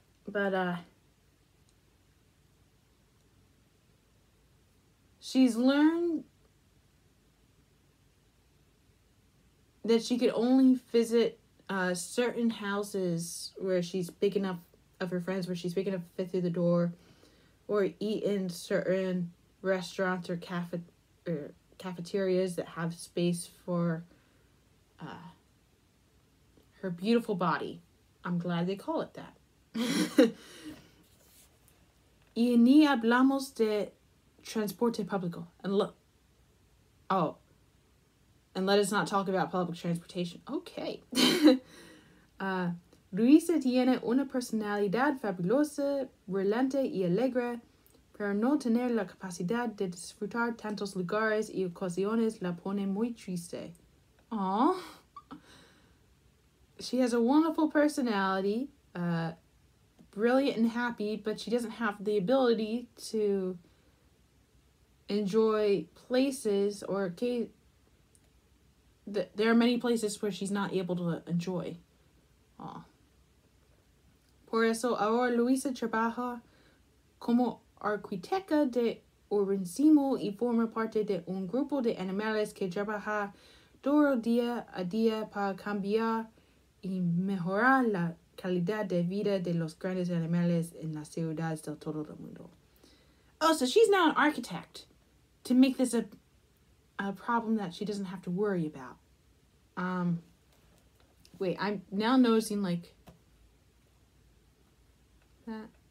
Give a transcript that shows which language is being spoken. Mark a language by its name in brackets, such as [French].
[English] But, she's learned that she could only visit certain houses where she's big enough of her friends, where she's big enough to fit through the door, or eat in certain restaurants or cafeterias that have space for her beautiful body. I'm glad they call it that. [Spanish] Y ni hablamos de transporte público. [English] And let us not talk about public transportation. Okay. [Spanish] Luisa tiene una personalidad fabulosa, brillante y alegre, pero no tener la capacidad de disfrutar tantos lugares y ocasiones la pone muy triste. [English] Aww. She has a wonderful personality, brilliant and happy, but she doesn't have the ability to enjoy places there are many places where she's not able to enjoy. Aww. [Spanish] Por eso ahora Luisa trabaja como arquitecta de urbanísimo y forma parte de un grupo de animales que trabaja duro día a día para cambiar y mejorar la calidad de vida de los grandes animales en las ciudades de todo el mundo. [English] Oh, so she's now an architect to make this a problem that she doesn't have to worry about. Wait, I'm now noticing, like, that.